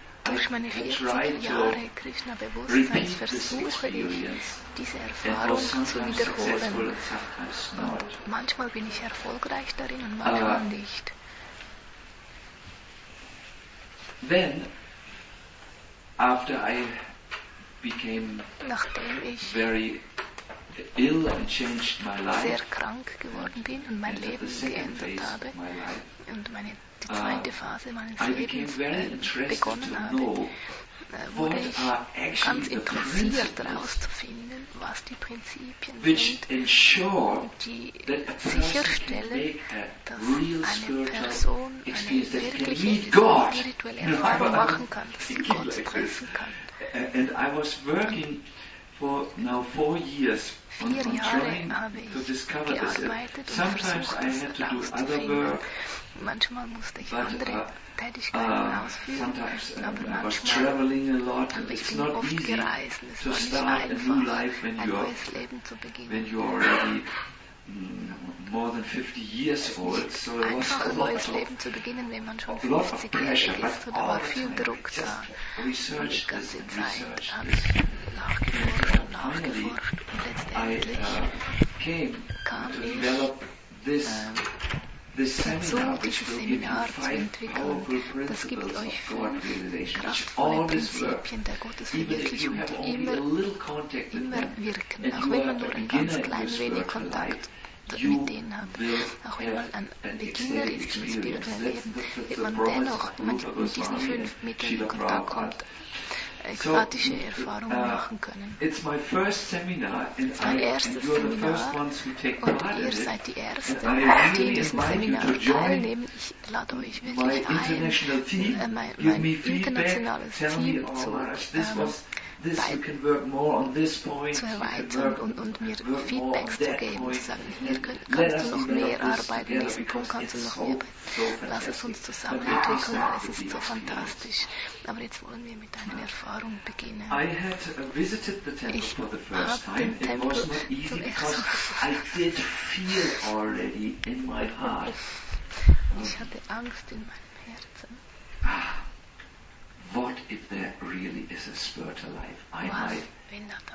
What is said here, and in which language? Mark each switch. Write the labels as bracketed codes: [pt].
[de] durch meine 40 Jahre Krishna Bewusstseins versuche ich, diese Erfahrung zu wiederholen. Und manchmal bin ich erfolgreich darin und manchmal nicht. [en] Then, after I became very ill and changed my life, [de] sehr krank geworden bin und mein Leben geändert habe, die zweite Phase meines Lebens begonnen habe, wurde ich ganz interessiert herauszufinden, was die Prinzipien sind, die sicherstellen, dass eine Person eine wirkliche spirituelle Erfahrung machen kann, dass sie Gott treffen kann. [en] And I was working for now 4 years on trying to discover this. Sometimes I had to do other work, [de] manchmal musste ich andere Tätigkeiten ausführen, aber manchmal [en] I was traveling a lot, and it's not easy to start a new life when you are already more than 50 years old, so it was a lot of pressure, but all the time, just research this and research this. And finally, I came to develop this seminar, which will give you 5 powerful principles of God realization, which always work, even if you have only a little contact with them, and you are a beginner in this spiritual life. [de] Mit denen haben. Auch wenn man ein Beginner ist im spirituellen Leben, wenn man dennoch mit diesen 5 Mitteln in Kontakt kommt, ekstatische Erfahrungen machen können. [en] It's my first seminar, and it's [de] mein erstes Seminar, und ihr seid die Ersten, die in diesem Seminar teilnehmen. Ich lade euch wirklich ein, mein internationales Team zu [en] this, you can work more on this point, [de] zu erweitern und mir Feedback zu geben, zu sagen, hier kannst du noch mehr arbeiten, an diesem Punkt kannst du noch mehr arbeiten. Lass es uns zusammen entwickeln, es ist so fantastisch. Aber jetzt wollen wir mit einer Erfahrung beginnen. [en] I had visited the temple [de] ich [en] for the first time. It was not easy because I did feel already in my heart. [de] Ich hatte Angst in meinem Herzen. [en] What if there really is a spiritual life?